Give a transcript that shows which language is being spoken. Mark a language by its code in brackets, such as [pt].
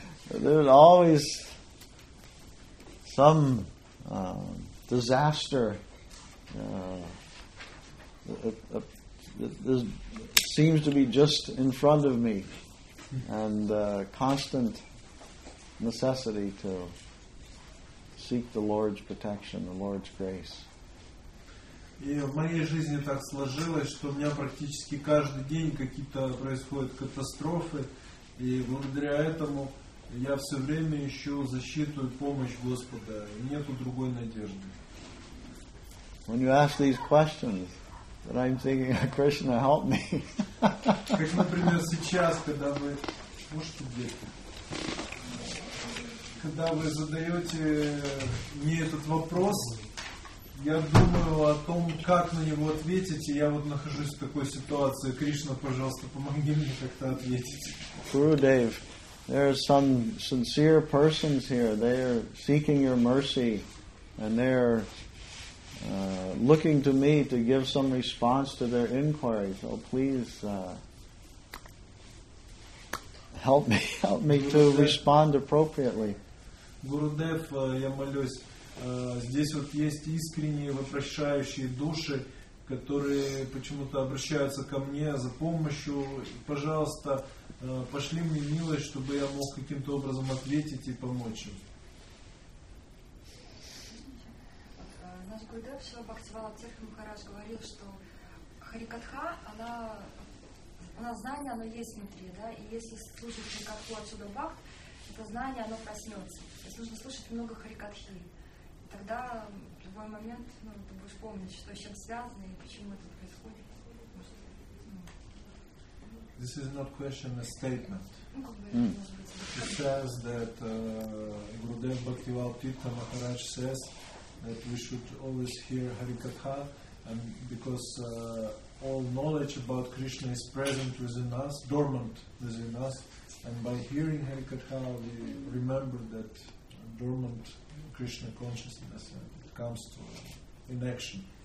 [en] There's always some disaster that seems to be just in front of me, and constant necessity to seek the Lord's protection, the Lord's grace. [ru] И в моей жизни так сложилось, что у меня практически каждый день какие-то происходят катастрофы, и благодаря этому я все время ищу защиту и помощь Господа, и нету другой надежды. [en] When you ask these questions, then I'm thinking, Krishna, help me. [ru] Как, например, сейчас, когда вы... Можете где-то? Когда вы задаете мне этот вопрос, я думаю о том, как на него ответить, и я вот нахожусь в такой ситуации. Кришна, пожалуйста, помоги мне как-то ответить. [en] True, Dave. There are some sincere persons here. They are seeking your mercy, and they are looking to me to give some response to their inquiry. So please help me to respond appropriately. [ru] Гурудев, я молюсь. Здесь вот есть искренние вопрошающие души, которые почему-то обращаются ко мне за помощью. Пожалуйста, пошли мне милость, чтобы я мог каким-то образом ответить и помочь им. Наш Гурудев Шрила Бхактивала Церкви Махарадж говорил, что Харикатха, она знание, оно есть внутри, да, и если слушать Харикатху отсюда Бхакт, это знание, оно проснется. То есть нужно слушать много Харикатхи. Тогда в любой момент ты будешь помнить, что с чем связано и почему это происходит. [en] This is not question, a statement. He says that Gurudev Bhaktival Pita Maharaj says that we should always hear Harikatha, and because all knowledge about Krishna is present within us, dormant within us, and by hearing Harikatha we remember that dormant Krishna consciousness and it comes to in action.